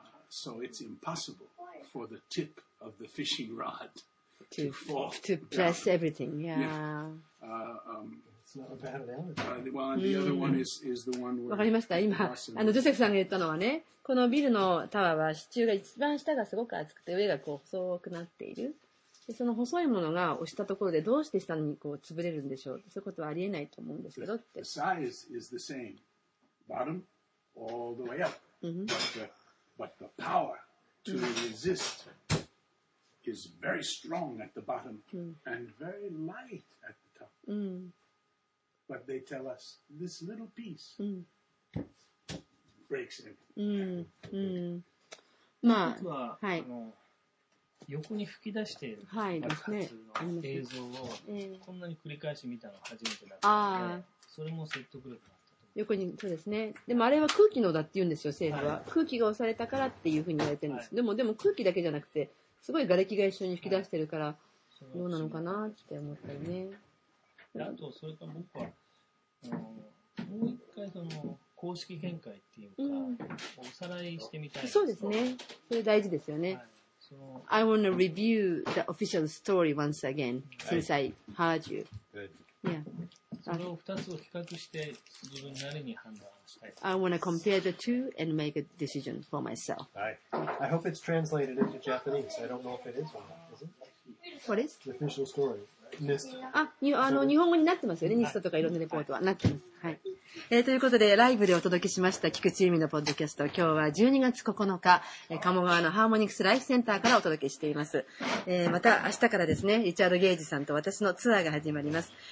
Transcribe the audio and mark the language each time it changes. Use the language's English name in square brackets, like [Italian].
[English] So it's impossible for the tip of the fishing rod to fall. To press down. Everything, yeah. It's not a bad analogy. Well, and the other one is the one where... [Japanese] わかりました。今、ジョセフさんが言ったのはね、このビルのタワーは支柱が一番下がすごく厚くて、上がこう細くなっている。でその細いものが押したところでどうして下にこう潰れるんでしょう。そういうことはありえないと思うんですけどって。 [English] The size is the same. Bottom, all the way up. But the power to resist is very strong at the bottom and very light at the top. But they tell us this little piece breaks everything. [Japanese] まあ、はい。横に吹き出している爆発の映像をこんなに繰り返し見たのは初めてだったので、それも説得力が。横にそうですね。でもあれは空気のだって言うんですよ、政府は、はい。空気が押されたからっていうふうに言われてるんです。はい、でも空気だけじゃなくて、すごい瓦礫が一緒に吹き出してるから、どうなのかなって思ったよね。はい、あと、それと僕は、もう一回その、公式見解っていうか、おさらいしてみたいです。そうですね。それ大事ですよね。はい、 [English] I want to review the official story once again, since I heard you.、 Good. Yeah. I want to compare the two and make a decision for myself. I hope it's translated into Japanese. I don't know if it is or not. Is it? What is? The official story. NIST. [Japanese] あの日本語になってますよね。NIST とかいろんなレポートは。なってます。はい。ということで、ライブでお届けしました、菊池由美のポッドキャスト。今日は12月9日、鴨川のハーモニクスライフセンターからお届けしています。また、明日からですね、リチャード・ゲイジさんと私のツアーが始まります。